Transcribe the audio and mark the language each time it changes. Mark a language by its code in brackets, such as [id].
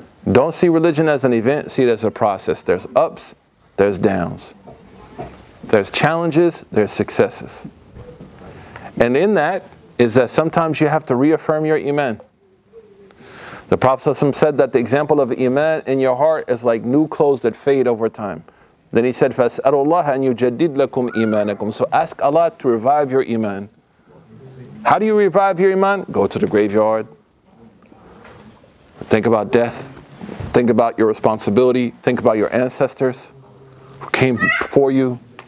[en] Don't see religion as an event, see it as a process. There's ups, there's downs. There's challenges, there's successes. And in that, is that sometimes you have to reaffirm your iman. The Prophet said that the example of iman in your heart is like new clothes that fade over time. Then he said, [ar] فَاسْأَلُوا اللَّهَ أَنْ يُجَدِّدْ لَكُمْ إِيمَانَكُمْ. [en] So ask Allah to revive your iman. How do you revive your iman? Go to the graveyard. Think about death. Think about your responsibility. Think about your ancestors who came before you.